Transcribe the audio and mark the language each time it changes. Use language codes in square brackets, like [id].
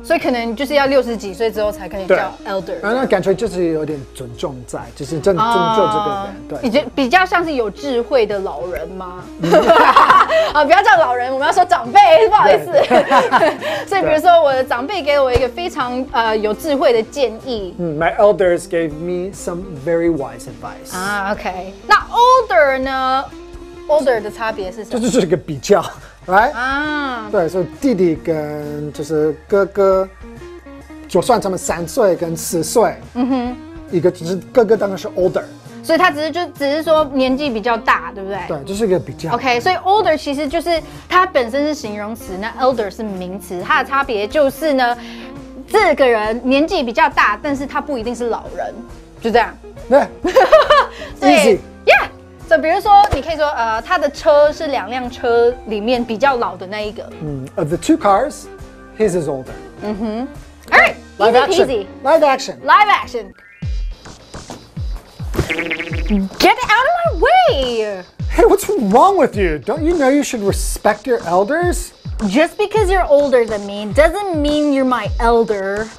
[zh] 所以可能就是要六十几岁之后才可以叫 elder，然后那感觉就是有点尊重在，就是真的尊重这个人，对，比较像是有智慧的老人吗？啊，不要叫老人，我们要说长辈，不好意思。所以，比如说我的长辈给了我一个非常有智慧的建议。 [en] My elders gave me some very wise advice. [zh] 啊 ，OK， 那 older 呢 ？Older 的差别是什么？就是一个比较 ，right？ 啊，对，所以弟弟跟就是哥哥，就算他们3岁跟4岁，嗯哼，一个就是哥哥当然是 older。所以他只是说年纪比较大，对不对？对，就是一个比较。 OK， 所以 older 其实就是它本身是形容词，那 elder 是名词，它的差别就是呢，这个人年纪比较大，但是他不一定是老人，就这样。对，对 ， [en] easy， yeah。 [zh] 所以比如说，你可以说他的车是2辆车里面比较老的那一个。 [en] Of the two cars, his is older. 嗯哼。All right, live action. Live action. Get out of my way! Hey, what's wrong with you? Don't you know you should respect your elders? Just because you're older than me doesn't mean you're my elder.